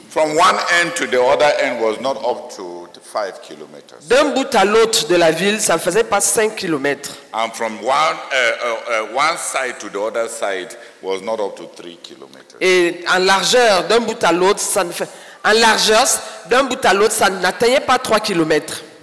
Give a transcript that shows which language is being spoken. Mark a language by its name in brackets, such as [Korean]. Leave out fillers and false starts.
[English] from one end to the other end was not up to 5 kilometers. [French] D'un bout à l'autre de la ville, ça ne faisait pas 5 kilomètres. [English] And from one side to the other side was not up to 3 kilometers. [French] Et en largeur, d'un bout à l'autre, ça ne fait en largeur, d'un bout à l'autre, ça n'atteignait pas 3 kilomètres.